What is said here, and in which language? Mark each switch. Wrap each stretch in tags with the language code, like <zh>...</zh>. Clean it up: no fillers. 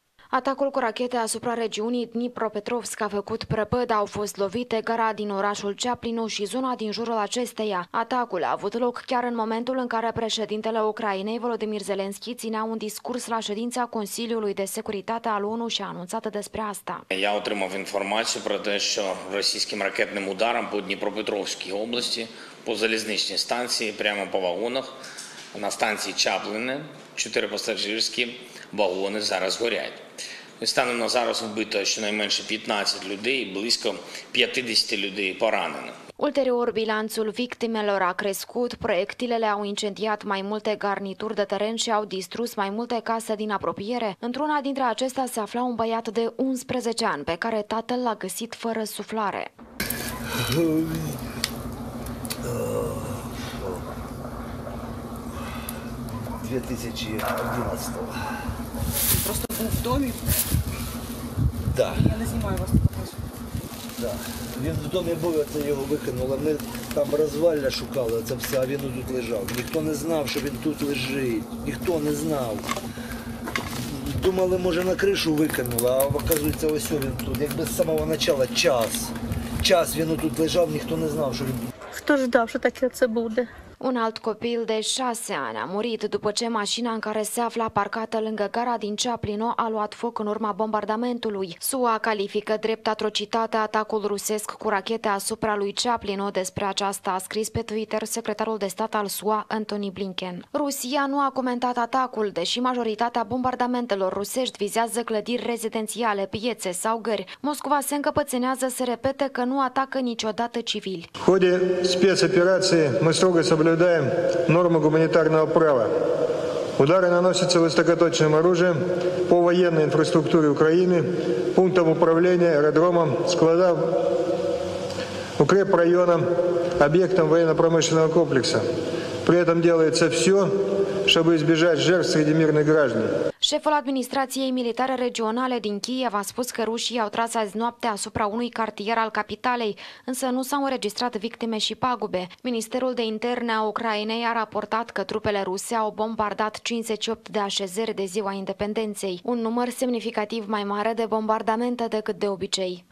<ro>Atacul cu rachete asupra regiunii Dnipropetrovsk a făcut prăpăd, au fost lovite gara din orașul Chaplinu și zona din jurul acesteia. Atacul a avut loc chiar în momentul în care președintele Ucrainei, Volodymyr Zelensky, ținea un discurs la ședința Consiliului de Securitate al ONU și a anunțat despre asta.</ro> <uk>Я отримав інформацію про те, що російським ракетним ударом по Дніпропетровській області, по залізничній станції, прямо по вагонах на станції Чапліни 4 пасажирські вагони зараз горять. Станом на зараз вбито щонайменше 15 людей, близько 50 людей поранено.</uk> <ro>Ulterior, bilanțul victimelor a crescut, proiectilele au incendiat mai multe garnituri de teren și au distrus mai multe case din apropiere. Într-una dintre acestea se afla un băiat de 11 ani, pe care tatăl l-a găsit fără suflare.</ro> <uk>Просто в домі? Да. Я не знімаю вас тут. Да. Він в домі був, це його викинули. Ми там розвалля шукали, це все, а він тут лежав. Ніхто не знав, що він тут лежить. Ніхто не знав. Думали, може, на кришу викинули, а виявляється, ось він тут. Якби з самого початку час. Час він тут лежав, ніхто не знав, що він тут. Хто ж дав, що таке це буде?</uk> <ro>Un alt copil de 6 ani a murit după ce mașina în care se afla parcată lângă gara din Chaplino a luat foc în urma bombardamentului. SUA califică drept atrocitate atacul rusesc cu rachete asupra lui Chaplino. Despre aceasta a scris pe Twitter secretarul de stat al SUA, Antony Blinken. Rusia nu a comentat atacul, deși majoritatea bombardamentelor rusești vizează clădiri rezidențiale, piețe sau gări. Moscova se încăpățânează să repete că nu atacă niciodată civili.</ro> <ru>Ходе спецоперации мы строго соблюдаем нормы гуманитарного права. Удары наносятся высокоточным оружием по военной инфраструктуре Украины, пунктам управления, аэродромам, складам, укрепрайонам, объектам военно-промышленного комплекса. При этом делается все, чтобы избежать жертв среди мирных граждан.</ru> <ro>Șeful administrației militare regionale din Kiev a spus că rușii au tras azi noapte asupra unui cartier al capitalei, însă nu s-au înregistrat victime și pagube. Ministerul de Interne a Ucrainei a raportat că trupele ruse au bombardat 58 de așezări de ziua independenței, un număr semnificativ mai mare de bombardamente decât de obicei.</ro>